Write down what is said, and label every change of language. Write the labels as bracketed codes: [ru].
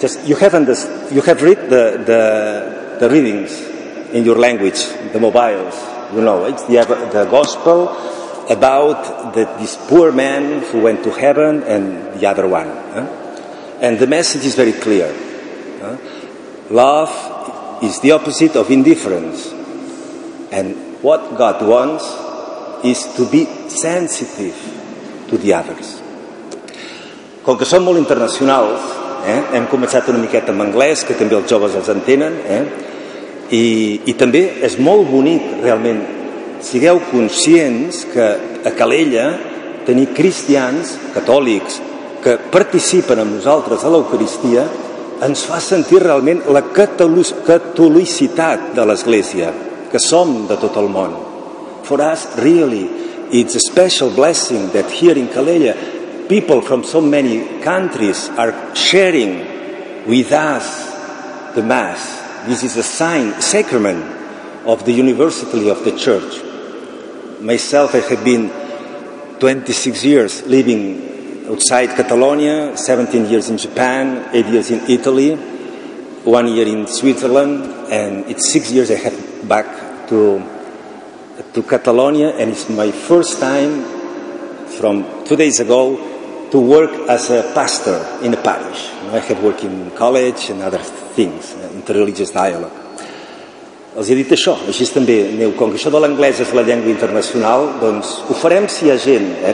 [en] Just you have read the readings in your language, the mobiles, you know, it's the gospel about this poor man who went to heaven and the other one. And the message is very clear. Love is the opposite of indifference. And what God wants is to be sensitive to the others. [ca] Com que som molt internacionals, hem començat una miqueta amb anglès, que també els joves els entenen, i també és molt bonic, realment, sigueu conscients que a Calella tenir cristians, catòlics, que participen amb nosaltres a l'Eucaristia, ens fa sentir realment la catolicitat de l'Església, que som de tot el món. [en] For us, really, it's a special blessing that here in Calella, people from so many countries are sharing with us the Mass. This is a sign, sacrament of the University of the Church. Myself, I have been 26 years living outside Catalonia, 17 years in Japan, 8 years in Italy, 1 year in Switzerland, and it's 6 years I have back to Catalonia, and it's my first time from 2 days ago to work as a pastor in a parish. I had worked in college and other things, interreligious dialogue. [ca] Els he dit això, així també, aneu, com que això de l'anglès és la llengua internacional, doncs ho farem si hi ha gent, eh?